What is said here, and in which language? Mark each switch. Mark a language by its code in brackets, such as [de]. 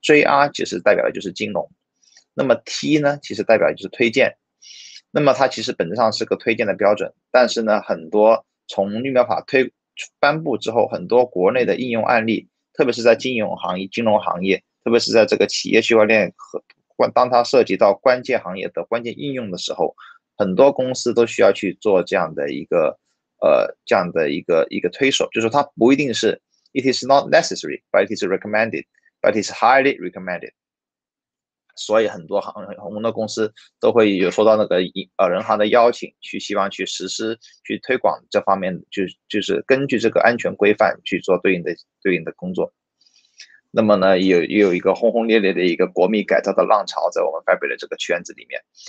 [zh] JR 其实代表的就是金融，那么 T 呢其实代表的就是推荐，那么它其实本质上是个推荐的标准，但是呢很多从密码法颁布之后，很多国内的应用案例，特别是在金融行业，特别是在这个企业区块链和当它涉及到关键行业的关键应用的时候，很多公司都需要去做这样的一个推手，就是它不一定是 [en] It is not necessary, but it is recommended, but it's highly recommended. [zh] 所以很多航空的公司都会有受到那个人行的邀请，去希望去实施、去推广这方面，就是根据这个安全规范去做对应的工作。那么呢，有一个轰轰烈烈的一个国密改造的浪潮在我们 Fabric 这个圈子里面。